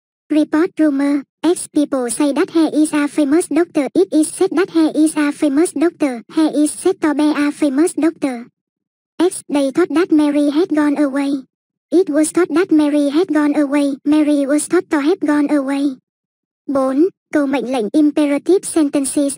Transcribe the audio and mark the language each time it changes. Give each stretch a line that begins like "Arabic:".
English: Report rumor, S. People say that he is a famous doctor. It is said that he is a famous doctor. He is said to be a famous doctor. S. They thought that Mary had gone away. It was thought that Mary had gone away. Mary was thought to have gone away. 4.
Vietnamese: Câu mệnh lệnh
English: imperative sentences.